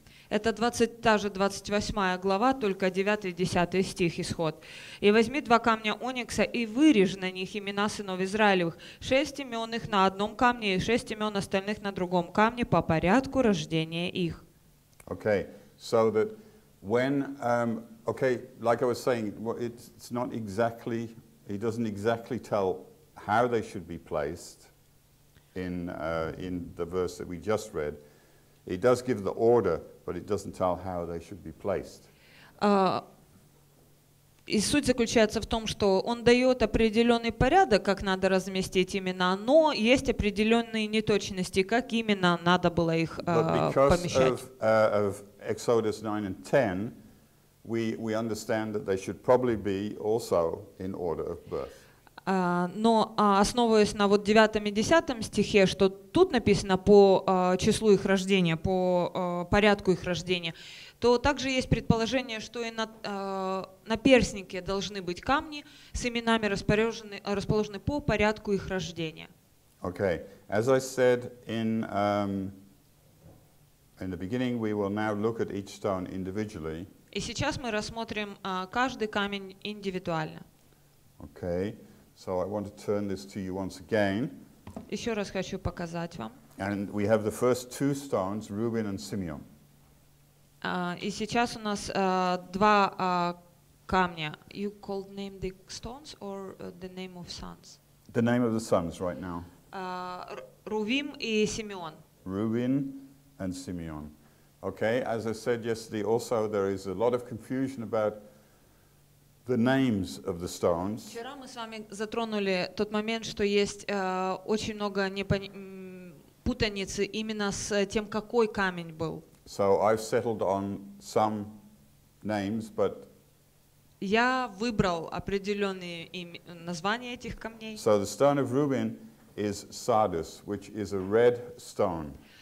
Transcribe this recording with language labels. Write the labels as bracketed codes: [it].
[ru] Это 20, та же 28 глава, только 9 и 10 стих исход. «И возьми два камня оникса и вырежь на них имена сынов Израилевых, шесть имен их на одном камне и шесть имен остальных на другом камне по порядку рождения их». [en] Okay, so that when, okay, like I was saying, it's not exactly, he doesn't exactly tell how they should be placed in the verse that we just read. It does give the order, but it doesn't tell how they should be placed. [ru] И суть заключается в том, что он дает определенный порядок, как надо разместить имена, но есть определенные неточности, как именно надо было их помещать. [en] Of Exodus 9 and 10, we understand that they should probably be also in order of birth. [ru] Но основываясь на вот 9 и 10 стихе, что тут написано по числу их рождения, по порядку их рождения, то также есть предположение, что и на перстнике должны быть камни с именами расположены по порядку их рождения. [en] Okay. As I said in the beginning, we will now look at each stone individually. [ru] И сейчас мы рассмотрим каждый камень индивидуально. [en] Okay. So I want to turn this to you once again. [ru] Еще раз хочу показать вам. [en] And we have the first two stones, Reuben and Simeon. [ru] И сейчас у нас два камня. [en] You called name the stones or the name of sons? The name of the sons right now. [ru] Рувим и Симеон. [en] Reuben and Simeon. Okay, as I said yesterday also, there is a lot of confusion about the names of the stones. [ru] Вчера мы с вами затронули тот момент, что есть очень много путаницы именно с тем, какой камень был. [en] So I've settled on some names, but [ru] я выбрал определенные названия этих камней. [en] So the stone of Reuben is Sardis, which is a red stone.